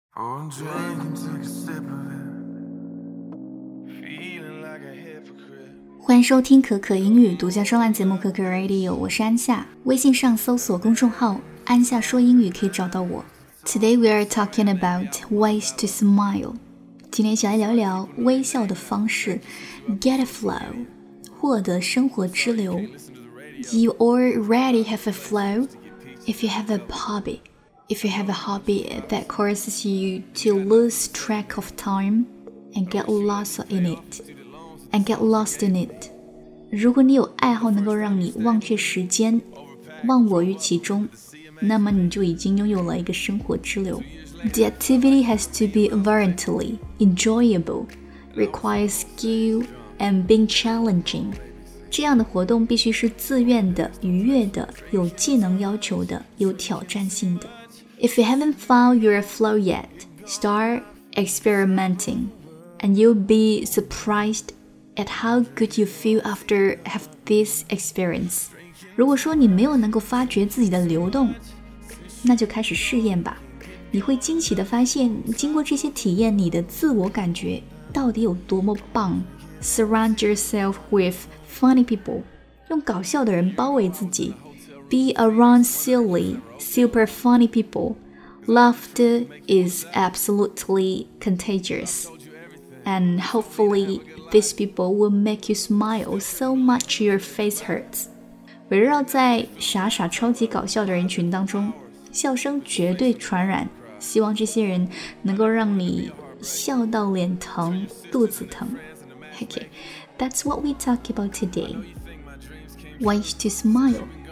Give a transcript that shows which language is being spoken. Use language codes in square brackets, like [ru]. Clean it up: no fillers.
[en] On drink and take a sip of it. Feeling like a hypocrite. [zh] 欢迎收听可可英语独家专栏节目可可 Radio， 我是安夏。微信上搜索公众号安夏说英语可以找到我。 [en] Today we are talking about ways to smile. [zh] 今天想来聊一聊微笑的方式 , [en] get a flow, [zh] 获得生活之流。 [en] You already have a flow if you have a hobby. If you have a hobby that causes you to lose track of time and get lost in it. And get lost in it. [zh] 如果你有爱好能够让你忘却时间，忘我于其中，那么你就已经拥有了一个生活之流。 [en] The activity has to be voluntarily enjoyable, require skill and being challenging. [zh] 这样的活动必须是自愿的、愉悦的、有技能要求的、有挑战性的。 [en] If you haven't found your flow yet, start experimenting, and you'll be surprised. At how good you feel after have this experience. [zh] 如果说你没有能够发觉自己的流动，那就开始试验吧。你会惊奇地发现，经过这些体验，你的自我感觉到底有多么棒。 [en] Surround yourself with funny people. [zh] 用搞笑的人包围自己。 [en] Be around silly, super funny people. Laughter is absolutely contagious. And hopefully, these people will make you smile so much your face hurts. [zh] 围绕在傻傻超级搞笑的人群当中，笑声绝对传染。希望这些人能够让你笑到脸疼、肚子疼。 [en] Okay, that's what we talk about today. Ways to smile.